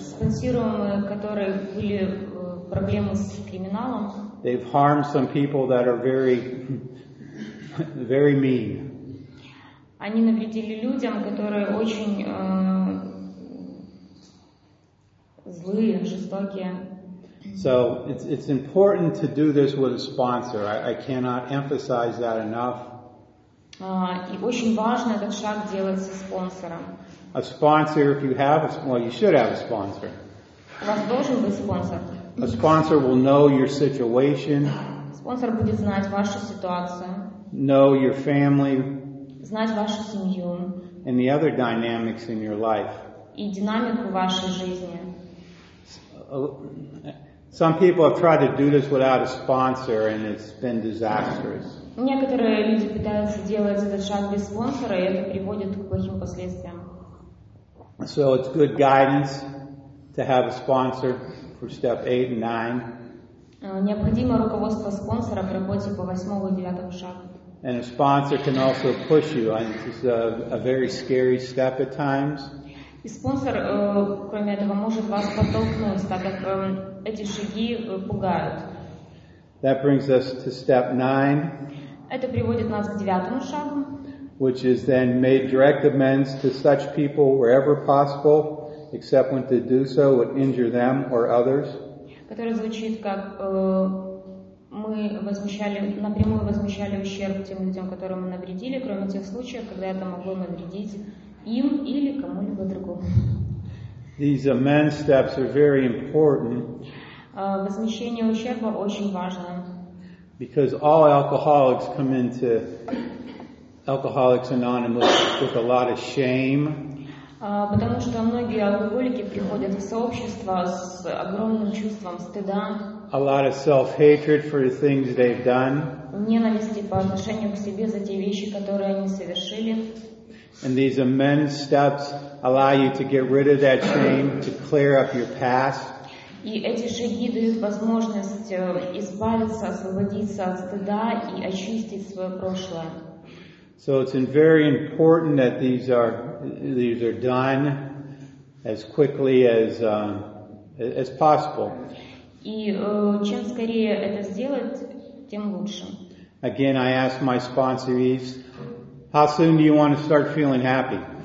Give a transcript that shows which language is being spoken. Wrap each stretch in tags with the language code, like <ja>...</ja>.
<ru>Спонсируемые, которые были проблемы с криминалом.</ru> <en>They've harmed some people that are very, very mean.</en> <ru>Они навредили людям, которые очень злые, жестокие.</ru> <en>So it's important to do this with a sponsor. I cannot emphasize that enough.</en> <ru>И очень важно этот шаг делать со спонсором.</ru> <en>A sponsor, if you have a sponsor, well, you should have a sponsor.</en> <ru>У вас должен быть спонсор.</ru> <en>A sponsor will know your situation.</en> <ru>Спонсор будет знать вашу ситуацию.</ru> <en>Know your family.</en> <ru>Знать вашу семью.</ru> <en>And the other dynamics in your life.</en> <ru>И динамику вашей жизни.</ru> <en>Some people have tried to do this without a sponsor, and it's been disastrous.</en> <ru>Некоторые люди пытаются делать этот шаг без спонсора, и это приводит к плохим последствиям.</ru> <en>So it's good guidance to have a sponsor for step 8 and 9.</en> <ru>Необходимо руководство спонсора в работе по восьмому и девятому шагу.</ru> <en>And a sponsor can also push you. It's a very scary step at times.</en> <ru>И спонсор, кроме этого, может вас подтолкнуть, так как эти шаги пугают.</ru> <en>That brings us to step 9.</en> <ru>Это приводит нас к девятому шагу.</ru> <en>Which is then made direct amends to such people wherever possible, except when to do so would injure them or others.</en> <ru>Который звучит как... Мы возмещали, напрямую возмещали ущерб тем людям, которым мы навредили, кроме тех случаев, когда это могло навредить им или кому-либо другому.</ru> <en>These amend steps are very important.</en> <ru>Возмещение ущерба очень важно.</ru> <en>Because all alcoholics come into Alcoholics Anonymous with a lot of shame.</en> <ru>Потому что многие алкоголики приходят в сообщество с огромным чувством стыда.</ru> <en>A lot of self-hatred for the things they've done.</en> <ru>Ненависти по отношению к себе за те вещи, которые они совершили.</ru> <en>And these amend steps allow you to get rid of that shame, to clear up your past.</en> <ru>И эти шаги дают возможность избавиться, освободиться от стыда и очистить свое прошлое.</ru> <en>So it's very important that these are done as quickly as possible.</en> <ru>И чем скорее это сделать, тем лучше.</ru> <en>Again, I ask my sponsorees, how soon do you want to start feeling happy?</en>